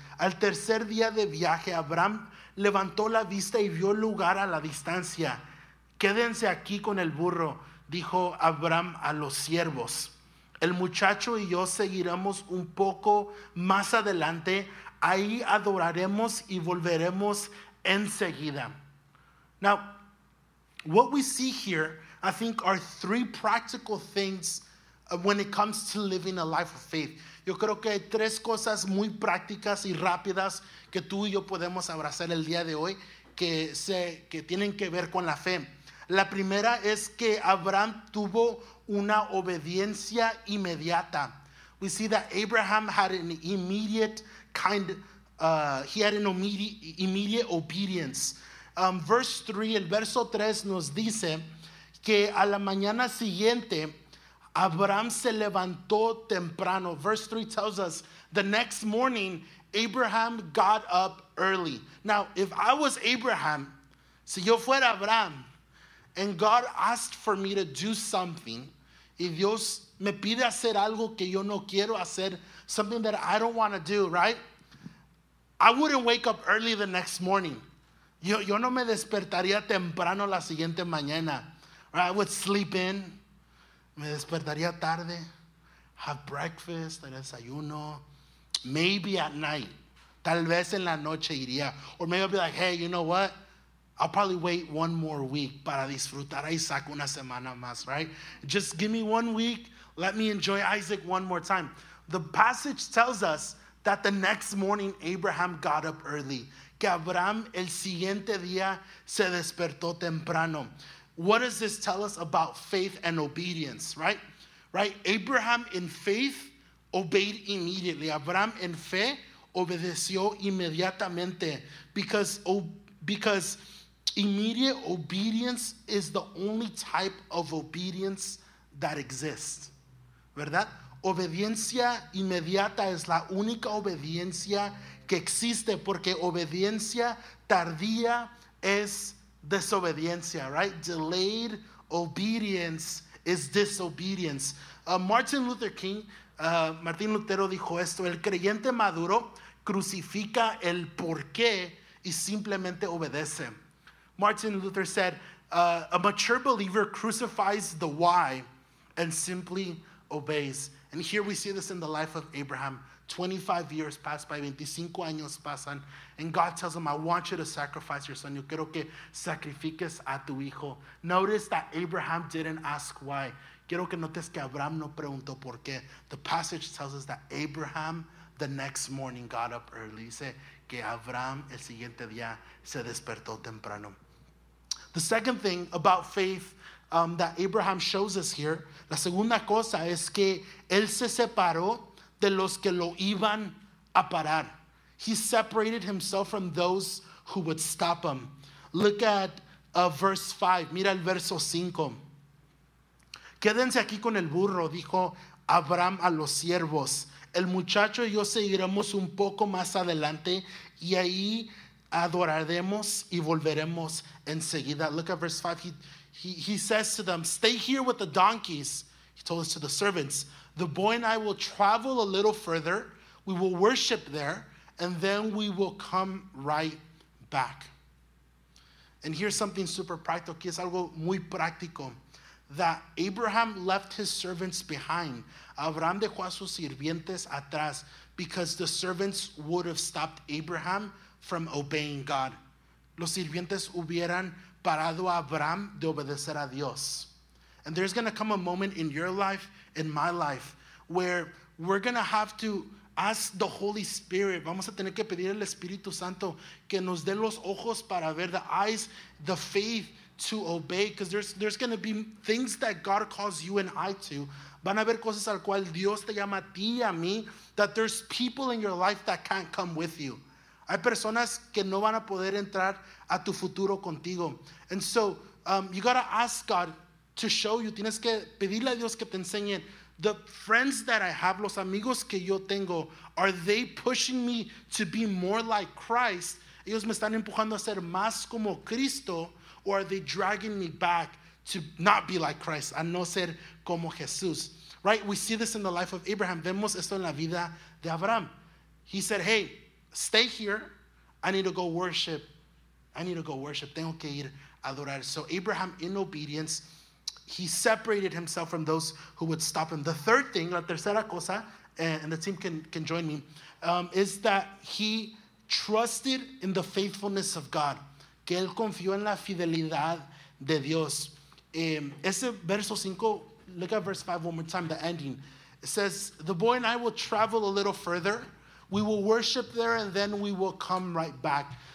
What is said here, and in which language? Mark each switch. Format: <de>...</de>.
<es>Al tercer día de viaje, Abraham levantó la vista y vio el lugar a la distancia. Quédense aquí con el burro, dijo Abraham a los siervos. El muchacho y yo seguiremos un poco más adelante. Ahí adoraremos y volveremos enseguida.</es> <en>Now, what we see here, I think, are three practical things when it comes to living a life of faith.</en> <es>Yo creo que hay tres cosas muy prácticas y rápidas que tú y yo podemos abrazar el día de hoy que tienen que ver con la fe. La primera es que Abraham tuvo una obediencia inmediata.</es> <en>We see that Abraham had an immediate kind, immediate obedience. Verse 3,</en> <es>el verso 3 nos dice que a la mañana siguiente, Abraham se levantó temprano.</es> <en>Verse 3 tells us, the next morning, Abraham got up early. Now, if I was Abraham,</en> <es>si yo fuera Abraham,</es> <en>and God asked for me to do something,</en> <es>y Dios me pide hacer algo que yo no quiero hacer,</es> <en>something that I don't want to do, right? I wouldn't wake up early the next morning.</en> <es>Yo no me despertaría temprano la siguiente mañana.</es> <en>Right? I would sleep in.</en> <es>Me despertaría tarde.</es> <en>Have breakfast,</en> <es>el desayuno.</es> <en>Maybe at night.</en> <es>Tal vez en la noche iría.</es> <en>Or maybe I'd be like, hey, you know what? I'll probably wait one more week</en> <es>para disfrutar a Isaac una semana más,</es> <en>right? Just give me one week. Let me enjoy Isaac one more time. The passage tells us that the next morning, Abraham got up early.</en> <es>Que Abraham el siguiente día se despertó temprano.</es> <en>What does this tell us about faith and obedience, right? Right? Abraham in faith obeyed immediately.</en> <es>Abraham en fe obedeció inmediatamente.</es> <en>Because immediate obedience is the only type of obedience that exists.</en> <es>¿Verdad? Obediencia inmediata es la única obediencia que existe porque obediencia tardía es desobediencia, right?</es> <en>Delayed obedience is disobedience.</en> <es>Martin Luther King, Martin Lutero dijo esto, el creyente maduro crucifica el por qué y simplemente obedece.</es> <en>Martin Luther said, a mature believer crucifies the why and simply obeys. And here we see this in the life of Abraham. 25 years pass by,</en> <es>25 años pasan,</es> <en>and God tells him, I want you to sacrifice your son.</en> <es>Yo quiero que sacrifiques a tu hijo.</es> <en>Notice that Abraham didn't ask why.</en> <es>Quiero que notes que Abraham no preguntó por qué.</es> <en>The passage tells us that Abraham, the next morning, got up early.</en> <es>Dice que Abraham, el siguiente día, se despertó temprano.</es> <en>The second thing about faith that Abraham shows us here,</en> <es>la segunda cosa es que él se separó de los que lo iban a parar.</es> <en>He separated himself from those who would stop him. Look at verse 5.</en> <es>Mira el verso 5. Quédense aquí con el burro, dijo Abraham a los siervos. El muchacho y yo seguiremos un poco más adelante y ahí adoraremos y volveremos enseguida.</es> <en>Look at verse 5. He says to them, stay here with the donkeys. He told us to the servants. The boy and I will travel a little further. We will worship there. And then we will come right back. And here's something super practical.</en> <es>Aquí es algo muy práctico.</es> <en>That Abraham left his servants behind.</en> <es>Abraham dejó a sus sirvientes atrás.</es> <en>Because the servants would have stopped Abraham from obeying God.</en> <es>Los sirvientes hubieran parado a Abraham de obedecer a Dios.</es> <en>And there's going to come a moment in your life, in my life, where we're going to have to ask the Holy Spirit.</en> <es>Vamos a tener que pedir al Espíritu Santo que nos dé los ojos para ver,</es> <en>the eyes, the faith to obey. Because there's going to be things that God calls you and I to.</en> <es>Van a haber cosas al cual Dios te llama a ti y a mí,</es> <en>that there's people in your life that can't come with you.</en> <es>Hay personas que no van a poder entrar a tu futuro contigo.</es> <en>And so you got to ask God to show you.</en> <es>Tienes que pedirle a Dios que te enseñe.</es> <en>The friends that I have,</en> <es>los amigos que yo tengo,</es> <en>are they pushing me to be more like Christ?</en> <es>Ellos me están empujando a ser más como Cristo,</es> <en>or are they dragging me back to not be like Christ,</en> <es>a no ser como Jesús? Right?</es> <en>We see this in the life of Abraham.</en> <es>Vemos esto en la vida de Abraham.</es> <en>He said, hey, stay here. I need to go worship.</en> <es>Tengo que ir a adorar.</es> <en>So Abraham, in obedience, he separated himself from those who would stop him. The third thing,</en> <es>la tercera cosa,</es> <en>and the team can join me, is that he trusted in the faithfulness of God.</en> <es>Que él confió en la fidelidad de Dios. Ese verso 5,</es> <en>look at verse 5 one more time, the ending. It says, the boy and I will travel a little further. We will worship there and then we will come right back.</en>